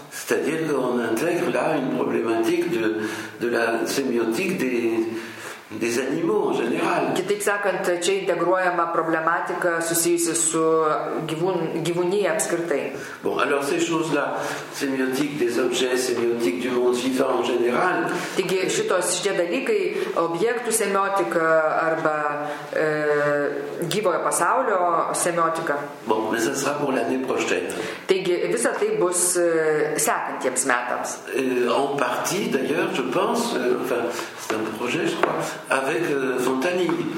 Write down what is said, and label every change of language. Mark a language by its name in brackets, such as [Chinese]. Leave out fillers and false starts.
[French] C'est-à-dire qu'on intègre là une problématique de la sémiotique des des animaux en général. [Lithuanian] Kitaip sakant, čia integruojama problematika susijusi su gyvūnija apskritai. [French] Bon, alors ces choses-là, sémiotique des objets, sémiotique du monde vivant en général. [Lithuanian] Taigi, šitie dalykai, objektų semiotika arba gyvojo pasaulio semiotika. [French] Bon, mais ça sera pour l'année prochaine. [Lithuanian] Taigi, visa tai bus sekantiems metams. [French] En partie, d'ailleurs, je pense, enfin, c'est un projet, je crois, avec Fontani.